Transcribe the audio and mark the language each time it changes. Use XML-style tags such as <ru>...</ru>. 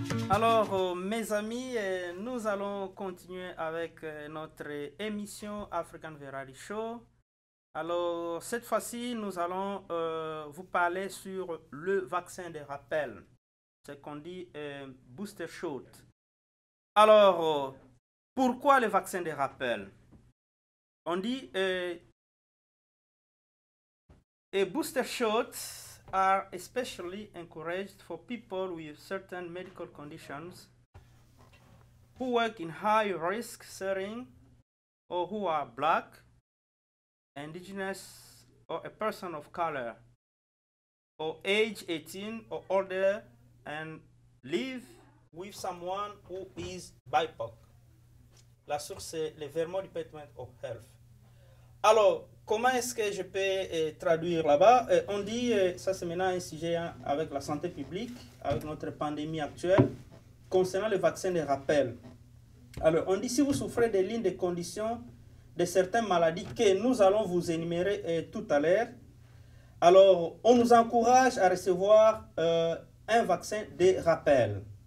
<fr>Alors, mes amis, nous allons continuer avec notre émission African Variety Show. Alors, cette fois-ci, nous allons vous parler sur le vaccin de rappel, ce qu'on dit booster shot. Alors, pourquoi le vaccin de rappel? On dit «</fr> <en>A booster shot are especially encouraged for people with certain medical conditions who work in high-risk settings or who are black, indigenous, or a person of color, or age 18 or older, and live with someone who is BIPOC.</en> <fr>La source est le Vermont Department of Health. Alors, Comment est-ce que je peux traduire là-bas? On dit, ça c'est maintenant un sujet hein, avec la santé publique, avec notre pandémie actuelle, concernant le vaccin de rappel. Alors, on dit, si vous souffrez de l'une des conditions de certaines maladies que nous allons vous énumérer tout à l'heure, alors on nous encourage à recevoir un vaccin de rappel.</fr>